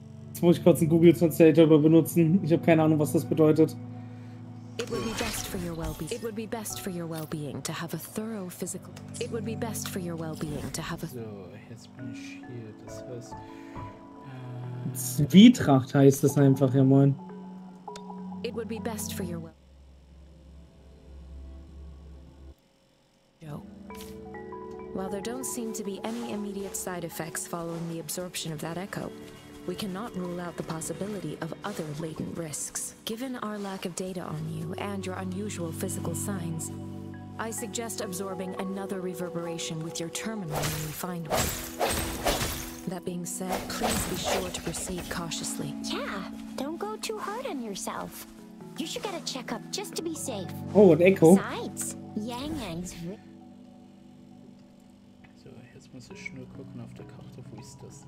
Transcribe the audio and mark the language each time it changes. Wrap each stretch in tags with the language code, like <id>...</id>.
<de>Jetzt muss ich kurz einen Google Translator benutzen. Ich habe keine Ahnung, was das bedeutet.</de> <en>It would be best for your well-being. It would be best for your well-being to have a thorough physical. It would be best for your well-being to have a.</en> <de>So, jetzt bin ich hier. Das heißt. Zwietracht heißt es einfach, ja moin.</de> <en>It would be best for your will. While there don't seem to be any immediate side effects following the absorption of that echo, we cannot rule out the possibility of other latent risks. Given our lack of data on you and your unusual physical signs, I suggest absorbing another reverberation with your terminal when we find one. That being said, please be sure to proceed cautiously. Yeah, don't go too hard on yourself. You should get a checkup just to be safe. Oh, an echo. Besides, Yang Yang's.</en> <de>So, jetzt muss ich nur gucken auf der Karte, wo ist das?</de>